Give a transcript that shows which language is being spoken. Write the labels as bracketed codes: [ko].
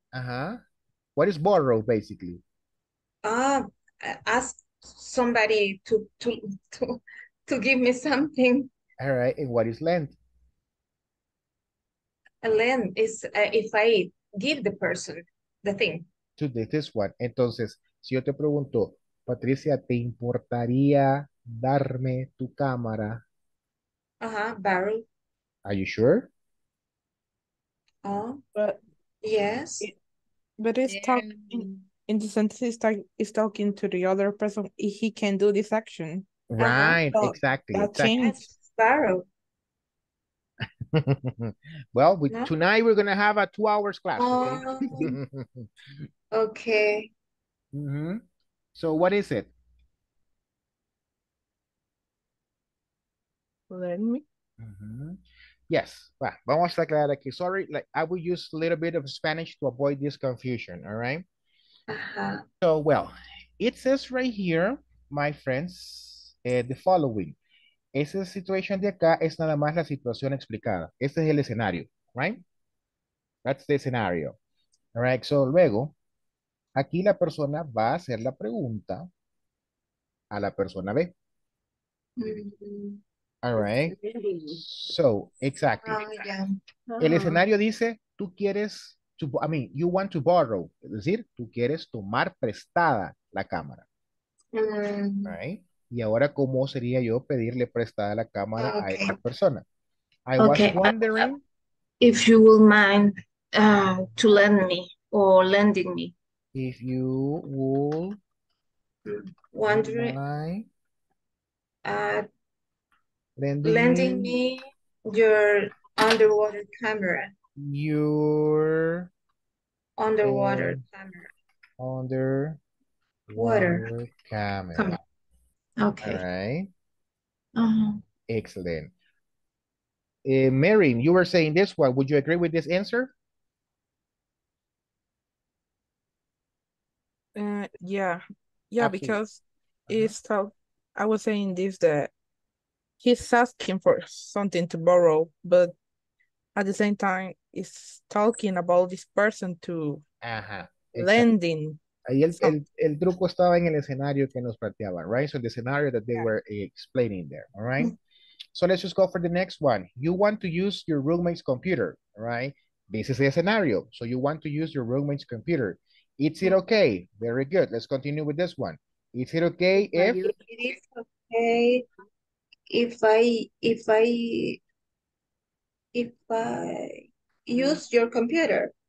[en] Uh-huh. What is borrow, basically? Ask somebody to give me something. All right, and what is lend? Lend is if I give the person the thing. To this one. [es] Entonces, si yo te pregunto, Patricia, ¿te importaría darme tu cámara? [en] Uh-huh, borrow. Are you sure? In the sentence, is talking to the other person, he can do this action. Right, so exactly. Borrow. Well, tonight we're going to have a 2 hours class. Okay. Okay. Mm-hmm. So what is it? Lend me. Mm-hmm. Yes. [es] Vamos a aclarar aquí. [en] Sorry, like I will use a little bit of Spanish to avoid this confusion. All right. Uh-huh. So well, it says right here, my friends, the following. [es] Esa situación de acá es nada más la situación explicada. Este es el escenario, right? [en] That's the scenario. All right. [es] So luego, aquí la persona va a hacer la pregunta a la persona B. [en] All right. So, exactly. [es] El escenario dice, tú quieres, [en] you want to borrow. [es] Es decir, tú quieres tomar prestada la cámara. [en] All right. [es] Y ahora, ¿cómo sería yo pedirle prestada la cámara a esa persona? [en] I was wondering. if you will mind to lend me or lending me. If you would wondering lending me your underwater camera. Your underwater camera. Underwater camera. Okay. All right. Uh-huh. Excellent. Marin, you were saying this one. Would you agree with this answer? Yeah, because it's tough. I was saying this, that he's asking for something to borrow, but at the same time, he's talking about this person to lending. [es] Y el truco estaba en el escenario que nos planteaban, right? [en] So the scenario that they were explaining there, all right? So let's just go for the next one. You want to use your roommate's computer, right? This is the scenario. So you want to use your roommate's computer. Is it okay? Very good. Let's continue with this one. Is it okay if... It is okay if I use your computer.